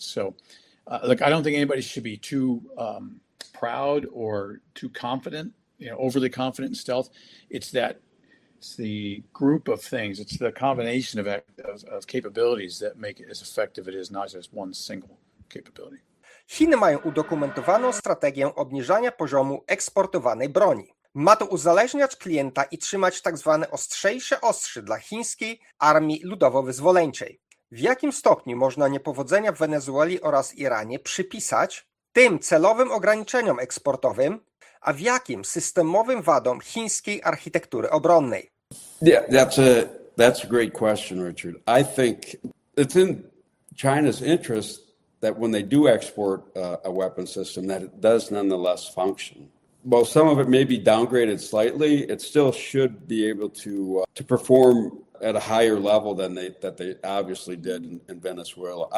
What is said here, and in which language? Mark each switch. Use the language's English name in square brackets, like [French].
[English] So look, I don't think anybody should be too proud or too confident, overly confident in stealth. It's the group of things. It's the combination of capabilities that make it as effective as it is, not just one single capability. [Polish] Chiny mają udokumentowaną strategię obniżania poziomu eksportowanej broni. Ma to uzależniać klienta i trzymać tak zwane ostrzejsze ostrze dla chińskiej armii ludowo-wyzwoleńczej. W jakim stopniu można niepowodzenia w Wenezueli oraz Iranie przypisać tym celowym ograniczeniom eksportowym, a w jakim systemowym wadom chińskiej architektury obronnej? [English] Yeah, that's a great question, Richard. I think it's in China's interest that when they do export a weapon system, that it does nonetheless function. While some of it may be downgraded slightly, it still should be able to perform at a higher level than they obviously did in Venezuela.